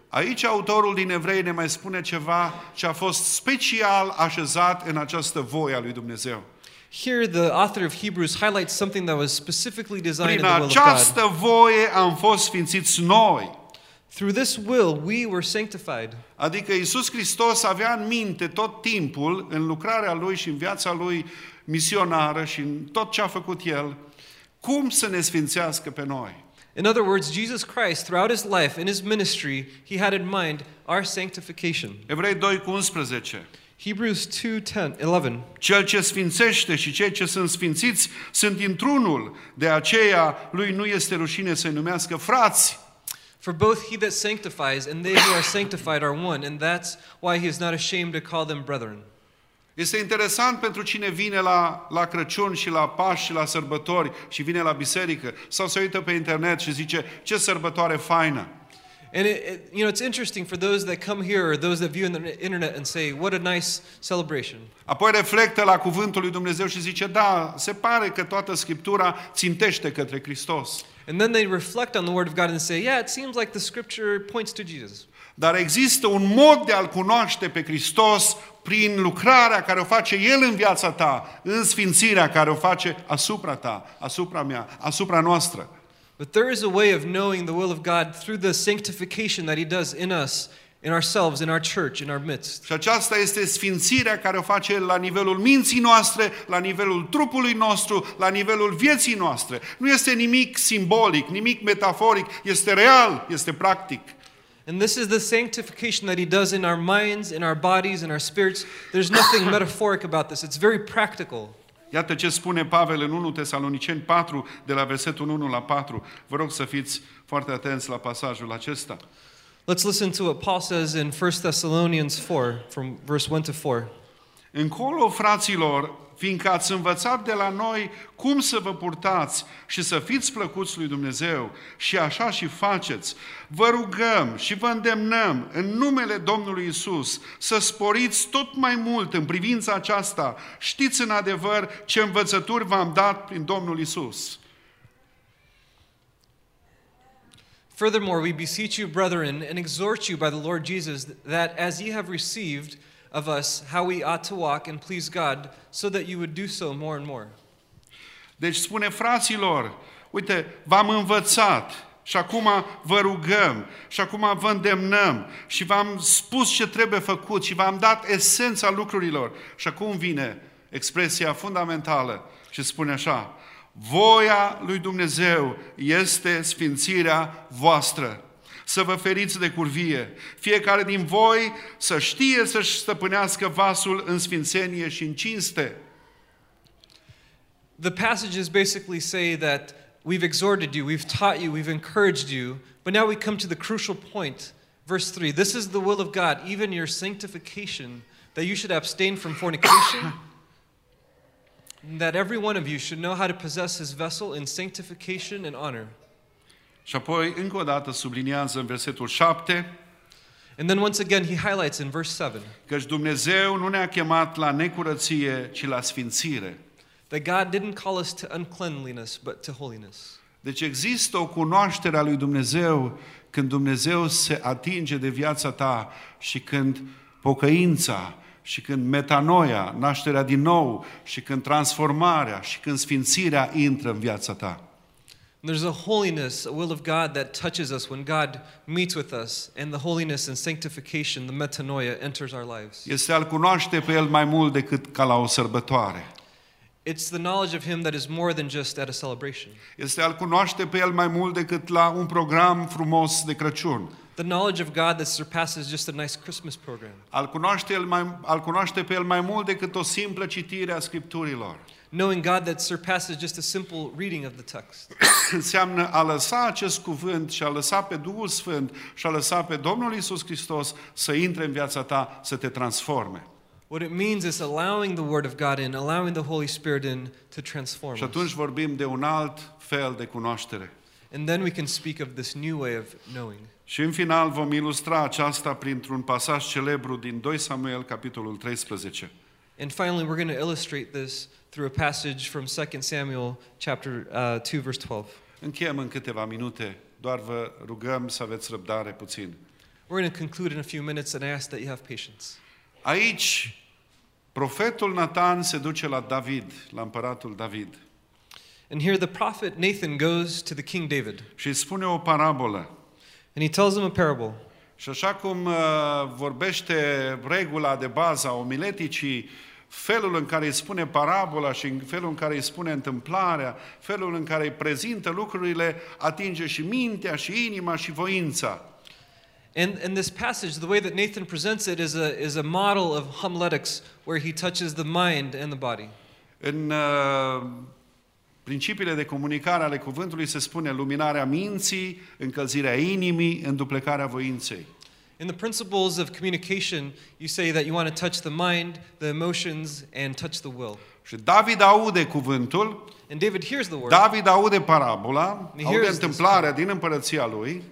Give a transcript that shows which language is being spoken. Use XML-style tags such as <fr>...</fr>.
<ro>Aici autorul din Evrei ne mai spune ceva ce a fost special așezat în această voie a lui Dumnezeu.</ro> <en>Here the author of Hebrews highlights something that was specifically designed in the will of God.</en> <ro>Prin această voie am fost sfințiți noi.</ro> <en>Through this will we were sanctified.</en> <ro>Adică Iisus Hristos avea în minte tot timpul în lucrarea lui și în viața lui misionară și în tot ce a făcut el, cum să ne sfințească pe noi.</ro> <en>In other words, Jesus Christ throughout his life in his ministry, he had in mind our sanctification.</en> <ro>Evrei 2:11.</ro> <en>Hebrews 2:10-11.</en> <ro>Cel ce sfințește și cei ce sunt sfințiți sunt într-unul, de aceea lui nu este rușine să-i numească frați.</ro> <en>For both he that sanctifies and they who are sanctified are one, and that's why he is not ashamed to call them brethren.</en> <ro>Este interesant pentru cine vine la Crăciun și la Paști și la sărbători și vine la biserică sau se uită pe internet și zice ce sărbătoare faină.</ro> <en>And it's interesting for those that come here or those that view on the internet and say what a nice celebration.</en> <ro>Apoi reflectă la cuvântul lui Dumnezeu și zice da, se pare că toată Scriptura țintește către Hristos.</ro> <en>And then they reflect on the word of God and say, yeah, it seems like the scripture points to Jesus.</en> <ro>Dar există un mod de a-L cunoaște pe Hristos prin lucrarea care o face El în viața ta, în sfințirea care o face asupra ta, asupra mea, asupra noastră.</ro> <en>But there is a way of knowing the will of God through the sanctification that He does in us, in ourselves, in our church, in our midst.</en> <ro>Și aceasta este sfințirea care o face la nivelul minții noastre, la nivelul trupului nostru, la nivelul vieții noastre. Nu este nimic simbolic, nimic metaforic, este real, este practic.</ro> <en>And this is the sanctification that He does in our minds, in our bodies, in our spirits. There's nothing metaphoric about this. It's very practical.</en> <ro>Iată ce spune Pavel în 1 Tesaloniceni 4, de la versetul 1 la 4. Vă rog să fiți foarte atenți la pasajul acesta.</ro> <en>Let's listen to what Paul says in 1 Thessalonians 4, from verse 1 to 4.</en> <ro>Încolo, fraților, fiindcă ați învățat de la noi cum să vă purtați și să fiți plăcuți lui Dumnezeu și așa și faceți, vă rugăm și vă îndemnăm în numele Domnului Iisus să sporiți tot mai mult în privința aceasta. Știți în adevăr ce învățături v-am dat prin Domnul Iisus.</ro> <en>Furthermore, we beseech you, brethren, and exhort you by the Lord Jesus that as ye have received of us how we ought to walk and please God, so that you would do so more and more.</en> <ro>Deci spune, fraților, uite, v-am învățat și acum vă rugăm și acum vă îndemnăm și v-am spus ce trebuie făcut și v-am dat esența lucrurilor. Și acum vine expresia fundamentală și spune așa, voia lui Dumnezeu este sfințirea voastră. Să vă feriți de curvie. Fiecare din voi să știe să-și stăpânească vasul în sfințenie și în cinste.</ro> <en>The passages basically say that we've exhorted you, we've taught you, we've encouraged you, but now we come to the crucial point, verse 3. This is the will of God, even your sanctification, that you should abstain from fornication, and that every one of you should know how to possess his vessel in sanctification and honor.</en> <ro>Și apoi încă o dată subliniază în versetul 7.</ro> <en>And then once again he highlights in verse 7.</en> <ro>Căci Dumnezeu nu ne-a chemat la necurăție, ci la sfințire.</ro> <en>That God didn't call us to uncleanliness, but to holiness.</en> <ro>Deci există o cunoaștere a lui Dumnezeu când Dumnezeu se atinge de viața ta și când pocăința și când metanoia, nașterea din nou, și când transformarea și când sfințirea intră în viața ta.</ro> <en>There's a holiness, a will of God that touches us when God meets with us, and the holiness and sanctification, the metanoia, enters our lives.</en> <ro>Este a-L cunoaște pe El mai mult decât ca la o sărbătoare.</ro> <en>It's the knowledge of Him that is more than just at a celebration.</en> <ro>Este a-L cunoaște pe El mai mult decât la un program frumos de Crăciun.</ro> <en>The knowledge of God that surpasses just a nice Christmas program.</en> <ro>A-L cunoaște pe El mai mult decât o simplă citire a Scripturilor.</ro> <en>Knowing God that surpasses just a simple reading of the text.</en> <ro>Înseamnă a lăsa acest cuvânt și a lăsa pe Duhul Sfânt și a lăsa pe Domnul Iisus Hristos să intre în viața ta, să te transforme.</ro> <en>What it means is allowing the Word of God in, allowing the Holy Spirit in to transform us.</en> <ro>Și atunci vorbim de un alt fel de cunoaștere.</ro> <en>And then we can speak of this new way of knowing.</en> <ro>Și în final vom ilustra aceasta printr-un pasaj celebru din 2 Samuel, capitolul 13.</ro> <en>And finally, we're going to illustrate this through a passage from 2 Samuel chapter 2, verse 12.</en> <ro>Încheiem în câteva minute. Doar vă rugăm să aveți răbdare puțin.</ro> <en>We're going to conclude in a few minutes and I ask that you have patience.</en> <ro>Aici, profetul Nathan se duce la David, la împăratul David.</ro> <en>And here the prophet Nathan goes to the king David.</en> <ro>Și spune o parabolă.</ro> <en>And he tells him a parable.</en> <ro>Și așa cum vorbește regula de bază a omileticii, felul în care îi spune parabola și felul în care îi spune întâmplarea, felul în care îi prezintă lucrurile, atinge și mintea și inima și voința.</ro> <en>In this passage, the way that Nathan presents it is a model of homiletics where he touches the mind and the body.</en> <ro>În principiile de comunicare ale cuvântului se spune luminarea minții, încălzirea inimii, înduplecarea voinței.</ro> <en>In the principles of communication, you say that you want to touch the mind, the emotions, and touch the will.</en> <ro>Și David aude cuvântul.</ro> <en>And David hears the word.</en> <ro>David aude parabola, aude întâmplarea din împărăția lui.</ro>